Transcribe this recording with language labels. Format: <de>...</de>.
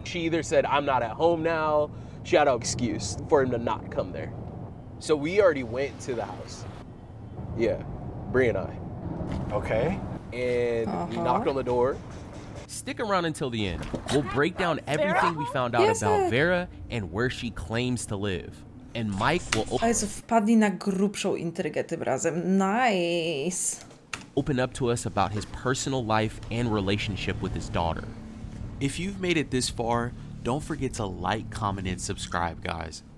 <en>She either said, I'm not at home now, she had an excuse for him to not come there. So we already went to the house. Yeah, Bri and I. Okay. And we knocked on the door. Stick around until the end. We'll break down everything we found out about Vera and where she claims to live. and Mike will</en> <pl>wpadli na grubszą intrygę tym razem.</pl> <en>Nice. Open up to us about his personal life and relationship with his daughter. If you've made it this far, don't forget to like, comment, and subscribe, guys.</en>